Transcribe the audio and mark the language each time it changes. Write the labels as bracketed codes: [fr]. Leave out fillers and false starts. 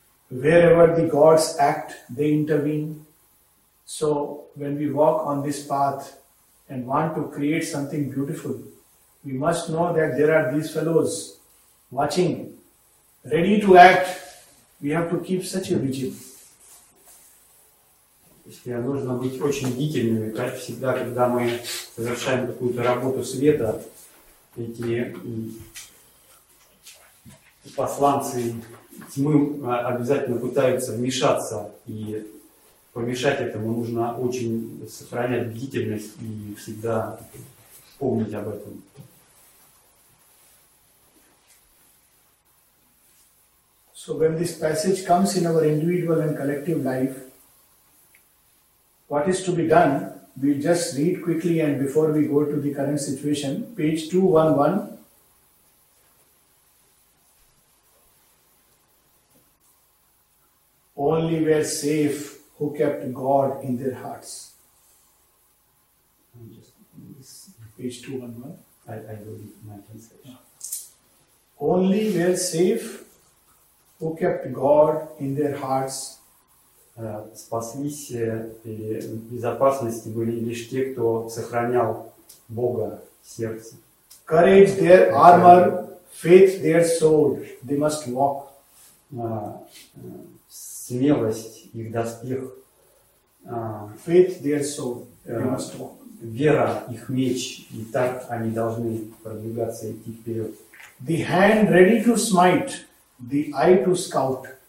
[en] Wherever the gods act, they intervene. So when we walk on this path and want to create something beautiful, we must know that there are these fellows watching, ready to act. We have to keep such a vigil. [ru] Если нужно быть очень бдительными, как всегда, когда мы совершаем какую-то работу света, эти посланцы тьмы обязательно пытаются вмешаться, и помешать этому нужно очень сохранять бдительность и всегда помнить об этом. [en] So when this passage comes in our individual and collective life, what is to be done? We'll just read quickly, and before we go to the current situation, page 211. Only were safe who kept God in their hearts. Page 211. I will read my translation. Only were safe who kept God in their hearts. [ru] Спаслись или в безопасности были лишь те, кто сохранял Бога в сердце. [en] Courage their armor, faith their sword, they must walk. [ru] Смелость их доспех. [en] Faith their sword, they must walk. [ru] Вера их меч, и так они должны продвигаться и идти вперед. [en] The hand ready to smite, the eye to scout.